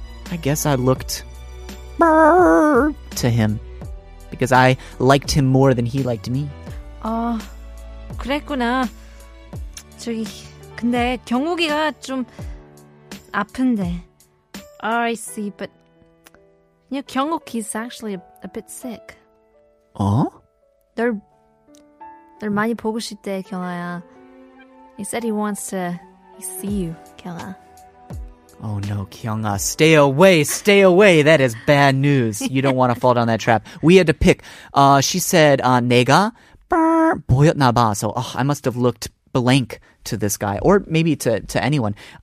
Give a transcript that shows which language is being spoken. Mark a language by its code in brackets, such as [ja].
[en] I guess I looked to him because I liked him more than he liked me. [ko] 그랬구나. 저기 근데 경욱이가 좀 아픈데. [en] Oh, I see, but you know, 경욱이's actually a bit sick. [ko] 어? 널 많이 보고 싶대, 경아야. [en] He said he wants to see you, 경아. Oh no, Kyung-ah, stay away, stay away. That is bad news. You don't want to fall down that trap. We had to pick. She said, [ko] 내가 보였나 봐. [en] So I must have looked blank to this guy, or maybe to anyone.